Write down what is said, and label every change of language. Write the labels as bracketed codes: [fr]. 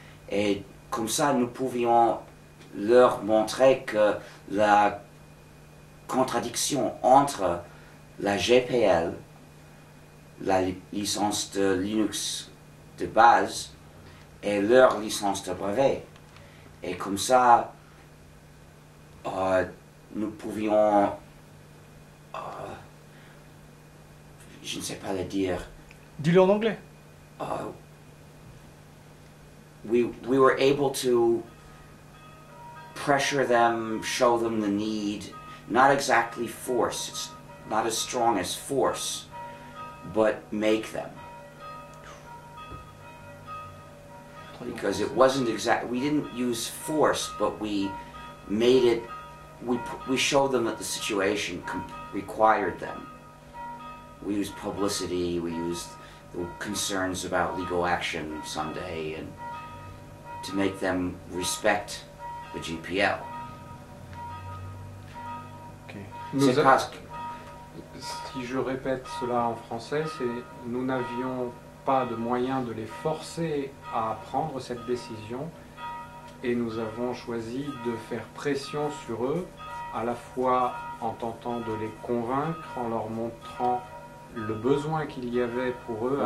[fr] Et comme ça, nous pouvions leur montrer que la contradiction entre la GPL, la licence de Linux de base, et leur licence de brevet. Et comme ça, nous pouvions, je ne sais pas le dire. Dis-le en anglais. [en] We were able to pressure them, show them the need, not exactly force, it's not as strong as force, but make them. Because it wasn't exact, we didn't use force, but we made it, we showed them that the situation required them. we use publicity, we use the concerns about legal action someday, and to make them respect the GPL. [fr] Okay. C'est parce que... Si je répète cela en français, c'est nous n'avions pas de moyen de les forcer à prendre cette décision, et nous avons choisi de faire pression sur eux, à la fois en tentant de les convaincre, en leur montrant le besoin qu'il y avait pour eux